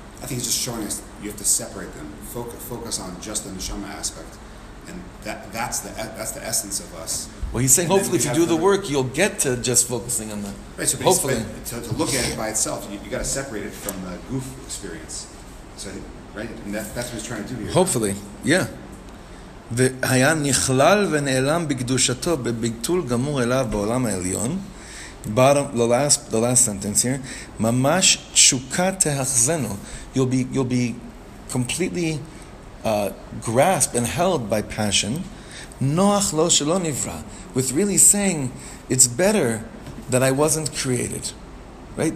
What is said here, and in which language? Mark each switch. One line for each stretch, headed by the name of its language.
English: I think he's just showing us you have to separate them, focus on just the neshama aspect, and that's the essence of us. Well, he's saying, and hopefully, if you do the work, you'll get to just focusing on the. Right. So, hopefully, to look at it by itself, you got to separate it from the goof experience. So, right, and that's what he's trying to do here. Hopefully, yeah.
Hebrew: והיה נכלל ונעלם בקדושתו בביטול גמור אליו בעולם העליון.
English: Bottom, the last sentence here.
Hebrew: ממש תשוקה תאחזנו.
English: You'll be completely grasped and held by passion.
Hebrew: נוח לא שלא נברא.
English: With really saying, it's better that I wasn't created. Right?